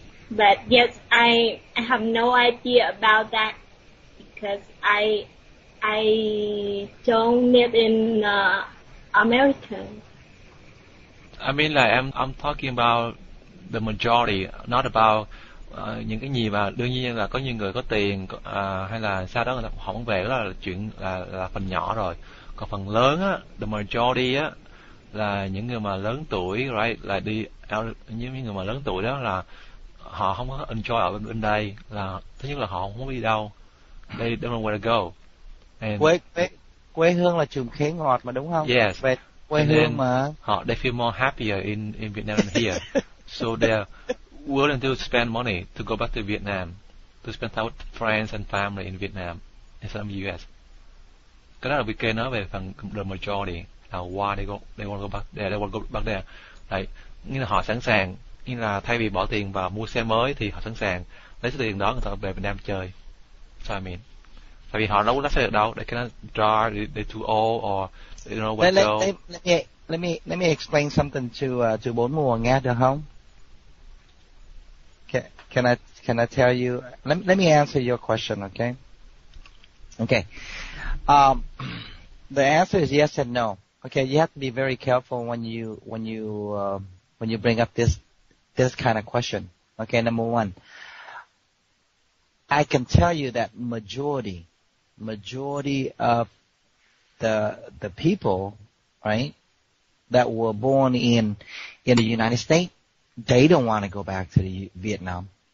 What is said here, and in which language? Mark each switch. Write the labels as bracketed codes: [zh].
[en] But yes, I have no idea about that because I don't live in America. I mean, like I'm talking about the majority, not about. [vi] Những cái gì mà đương nhiên là có những người có tiền hay là sau đó họ không về đó là chuyện là phần nhỏ rồi. Còn phần lớn á, [en] the majority [vi] á, là những người mà lớn tuổi, right, là đi những người mà lớn tuổi đó là họ không có enjoy ở bên đây. Là thứ nhất là họ không muốn đi đâu. [en] They don't know where to go. [vi] Quê hương là trùm khế ngọt mà đúng không? [en] Yes. [vi] Quê hương mà. [en] Họ they feel more happier in Vietnam than here. So they're willing to spend money to go back to Vietnam, to spend time with friends and family in Vietnam instead of US. [vi] Cái đó là VK nói về phần [en] the majority, [vi] là [en] why they want to go back there, they want to go back there. [vi] Like, nghĩa là họ sẵn sàng, nghĩa là thay vì bỏ tiền vào mua xe mới thì họ sẵn sàng lấy số tiền đó người ta về Việt Nam chơi. [en] So I mean, [vi] tại vì họ đâu có lấy xe được đâu, [en] they cannot drive, they're too old or they don't know where to go. Let me explain something to bốn mùa nghe được không? Can I tell you? Let me answer your question, okay? Okay. The answer is yes and no. Okay, you have to be very careful when you bring up this kind of question. Okay, number one, I can tell you that majority of the people, right, that were born in the United States, they don't want to go back to Vietnam.